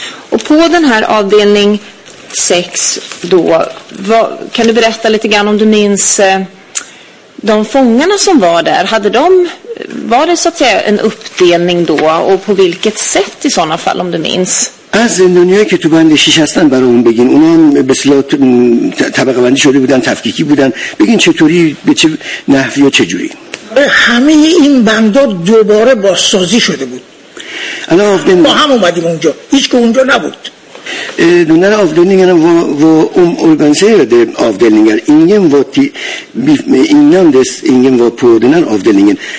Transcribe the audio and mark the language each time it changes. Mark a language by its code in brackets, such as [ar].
[sv] Och på den här avdelning 6 då, kan du berätta lite grann om du minns de fångarna som var där? Var det så att säga en uppdelning då, och på vilket sätt i sådana fall, om du minns? [fa] از زندانیایی که تو بند 6 هستن برای اون بگین. اونا هم به اصطلاح طبقه بندی شده بودن، تفکیکی بودن. بگین چطوری، به چه نحوی و چه جوری؟ همه این بندا دوباره بازسازی شده بود. ما هم اومدیم اونجا، هیچ که اونجا نبود. [sv] Den här avdelningen var omorganiserade avdelningar. Ingen var innan dess, ingen var på den här avdelningen.